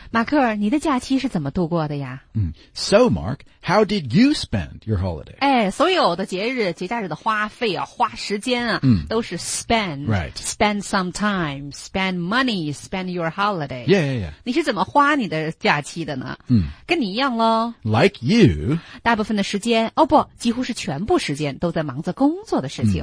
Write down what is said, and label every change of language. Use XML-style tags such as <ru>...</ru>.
<zh>马克，你的假期是怎么度过的呀？</zh> <en>嗯 ，So Mark， how did you spend your holiday？</en> <zh>哎，所有的节日、节假日的花费啊，花时间啊，嗯、都是 spend，</zh> <en>Right， spend some time， spend money， spend your holiday。 Yeah， yeah， yeah。</en> <zh>你是怎么花你的假期的呢？嗯，跟你一样喽。</zh> <en>Like you，</en> <zh>大部分的时间，哦不，几乎是全部时间都在忙着工作的事情。</zh>